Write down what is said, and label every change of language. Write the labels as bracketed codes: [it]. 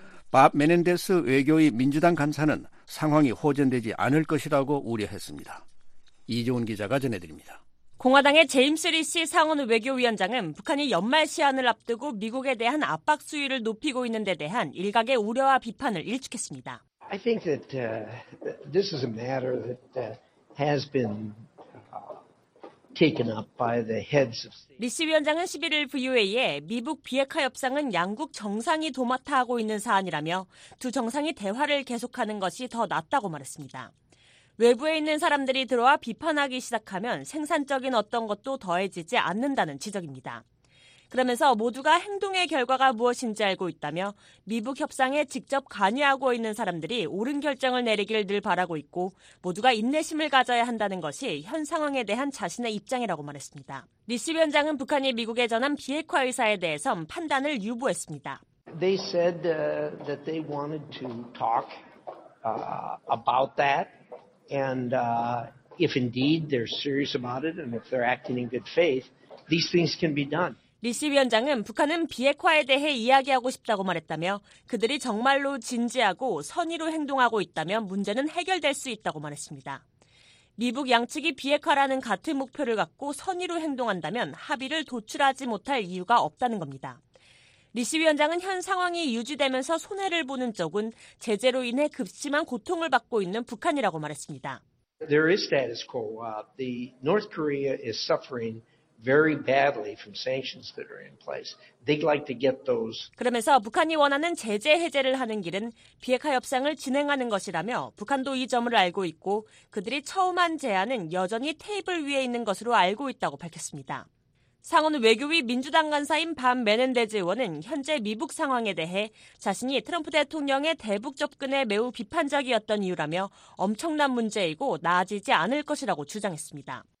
[ko] 밥 메넨데스 외교위 민주당 간사는 상황이 호전되지 않을 것이라고 우려했습니다. 이종훈 기자가 전해드립니다. 공화당의 제임스 리시 상원 외교위원장은 북한이 연말 시한을 앞두고 미국에 대한 압박 수위를 높이고 있는 데 대한 일각의 우려와 비판을 일축했습니다. [en] I think that this is a matter that has been taken up by the heads of [ko] 리시 위원장은 11일 VOA에 미북 비핵화 협상은 양국 정상이 도맡아 하고 있는 사안이라며 두 정상이 대화를 계속하는 것이 더 낫다고 말했습니다. 외부에 있는 사람들이 들어와 비판하기 시작하면 생산적인 어떤 것도 더해지지 않는다는 지적입니다. 그러면서 모두가 행동의 결과가 무엇인지 알고 있다며 미북 협상에 직접 관여하고 있는 사람들이 옳은 결정을 내리길 늘 바라고 있고 모두가 인내심을 가져야 한다는 것이 현 상황에 대한 자신의 입장이라고 말했습니다. 리시 위원장은 북한이 미국에 전한 비핵화 의사에 대해선 판단을 유보했습니다. [en] They said that they wanted to talk about that. And if indeed they're serious about it and if they're acting in good faith, these things can be done. [ko] 리시 위원장은 북한은 비핵화에 대해 이야기하고 싶다고 말했다며 그들이 정말로 진지하고 선의로 행동하고 있다면 문제는 해결될 수 있다고 말했습니다. 미북 양측이 비핵화라는 같은 목표를 갖고 선의로 행동한다면 합의를 도출하지 못할 이유가 없다는 겁니다. 리시 위원장은 현 상황이 유지되면서 손해를 보는 쪽은 제재로 인해 급심한 고통을 받고 있는 북한이라고 말했습니다. [en] There is status quo. The North Korea is suffering very badly from sanctions that are in place. They'd like to get those. [ko] 그러면서 북한이 원하는 제재 해제를 하는 길은 비핵화 협상을 진행하는 것이라며 북한도 이 점을 알고 있고 그들이 처음 한 제안은 여전히 테이블 위에 있는 것으로 알고 있다고 밝혔습니다. 상원 외교위 민주당 간사인 밤 메넨데즈 의원은 현재 미북 상황에 대해 자신이 트럼프 대통령의 대북 접근에 매우 비판적이었던 이유라며 엄청난 문제이고 나아지지 않을 것이라고 주장했습니다.